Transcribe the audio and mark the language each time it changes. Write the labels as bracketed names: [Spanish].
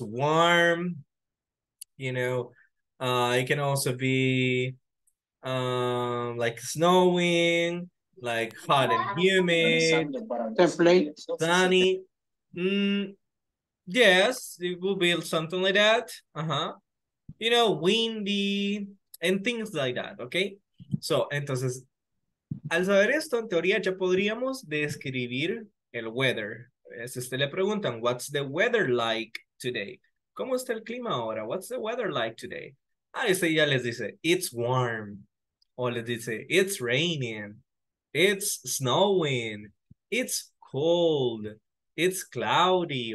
[English] Warm, you know, it can also be like snowing, like hot and humid, sunny. Yes, it will be something like that. You know, windy and things like that, okay? [Spanish] So, entonces, al saber esto, en teoría ya podríamos describir el weather. Si usted le preguntan, [English] what's the weather like today? [Spanish] ¿Cómo está el clima ahora? [English] What's the weather like today? [Spanish] Ah, ese ya les dice, [English] it's warm. [Spanish] O les dice, [English] it's raining. It's snowing. It's cold. It's cloudy.